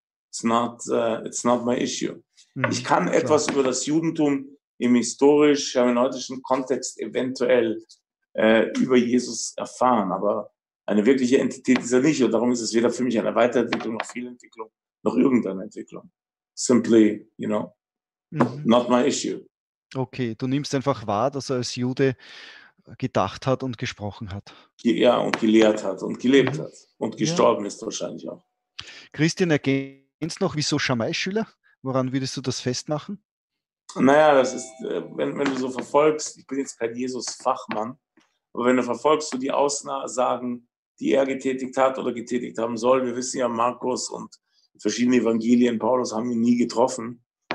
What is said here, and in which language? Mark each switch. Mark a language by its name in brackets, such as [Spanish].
[English] It's not my issue. [German] Ich kann etwas über das Judentum im historisch-hermeneutischen Kontext eventuell über Jesus erfahren, aber eine wirkliche Entität ist er nicht und darum ist es weder für mich eine Weiterentwicklung noch Fehlentwicklung noch irgendeine Entwicklung. [English] Simply, you know, not my issue. [German] Okay, du nimmst einfach wahr, dass er als Jude gedacht hat und gesprochen hat. Ja, und gelehrt hat und gelebt hat und gestorben ist wahrscheinlich auch. Christian, ergänzt noch, wieso Schamai-Schüler? Woran würdest du das festmachen? Naja, das ist, wenn du so verfolgst, ich bin jetzt kein Jesus-Fachmann, aber wenn du verfolgst, so die Aussagen, die er getätigt hat oder getätigt haben soll, wir wissen ja, Markus und verschiedene Evangelien, Paulus haben ihn nie getroffen.